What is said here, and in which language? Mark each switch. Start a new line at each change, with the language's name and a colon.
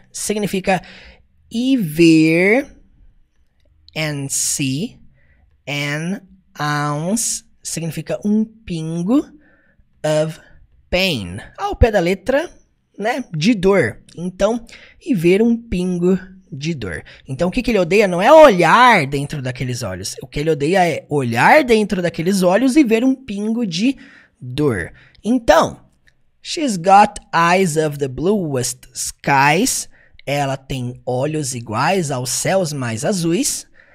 Portuguese: Significa e ver
English: and see an ounce,
Portuguese: significa um pingo
English: of pain.
Portuguese: Ao pé da letra, né, de dor. Então, e ver um pingo de dor. Então, o que ele odeia não é olhar dentro daqueles olhos. O que ele odeia é olhar dentro daqueles olhos e ver um pingo de dor.
English: Então, she's got eyes of the bluest skies.
Portuguese: Ela tem olhos iguais aos céus mais azuis.